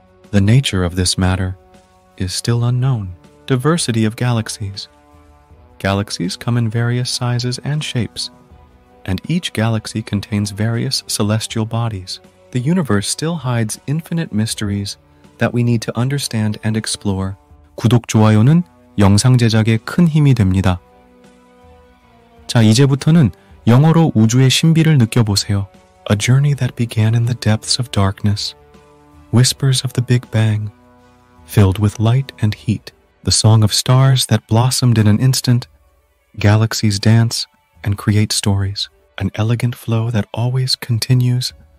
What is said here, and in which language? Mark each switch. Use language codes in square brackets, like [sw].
[en] The nature of this matter is still unknown. Diversity of galaxies. Galaxies come in various sizes and shapes, and each galaxy contains various celestial bodies. The universe still hides infinite mysteries that we need to understand and explore. [ko] 구독, 좋아요는 영상 제작에 큰 힘이 됩니다. 자, 이제부터는 영어로 우주의 신비를 느껴보세요. [en] A journey that began in the depths of darkness. Whispers of the Big Bang, filled with light and heat. The song of stars that blossomed in an instant. Galaxies dance and create stories. An elegant flow that always continues.